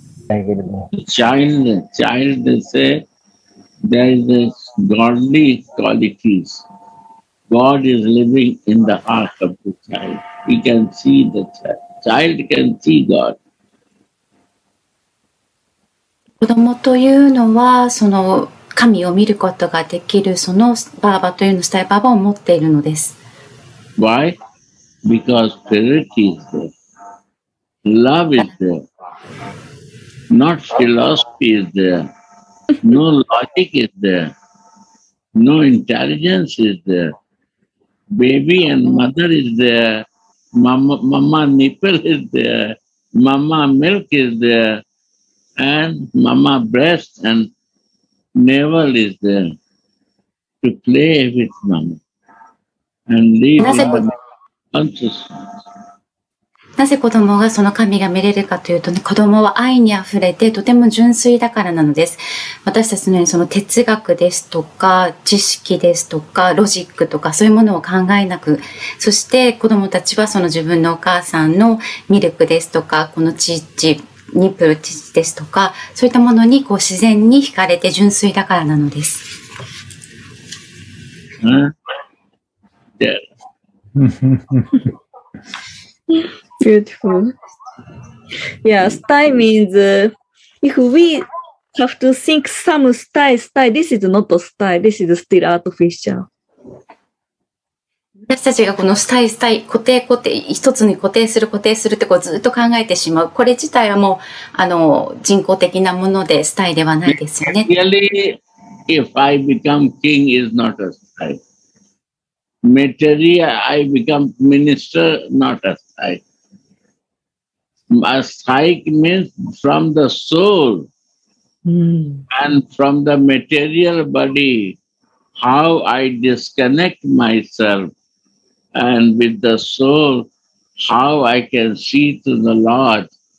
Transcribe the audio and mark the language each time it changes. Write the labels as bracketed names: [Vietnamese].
[English] Child say. There is this godly qualities. God is living in the heart of the child. He can see the child. Child can see God. [Japanese] 子供というのはその神を見ることができるそのバーバというのスタイバーバを持っているのです。 [English] Why? Because spirit is there. Love is there. Not philosophy is there. No logic is there. No intelligence is there. Baby and mother is there. Mama nipple is there. Mama milk is there. And mama breast and navel is there to play with mama and leave consciousness. [Japanese] なぜ子供がその神が見れるかというと、ね、子供は愛にあふれてとても純粋だからなのです。私たちのようにその哲学ですとか知識ですとかロジックとかそういうものを考えなく、そして子供たちはその自分のお母さんのミルクですとかこのチッチニプルチチですとかそういったものにこう自然に惹かれて純粋だからなのです。 [English] Beautiful. Yeah, sty means if we have to think some sty, this is not a sty, this is still artificial. [Japanese] 私たちがこのスタイ固定一つに固定するってこうずっと考えてしまう、これ自体はもうあの人工的なものでスタイではないですよね。 [English] Really, if I become king is not a style. Material, I become minister, not a style. A style means from the soul and from the material body, how I disconnect myselfAnd with the soul, how I can see to the Lord.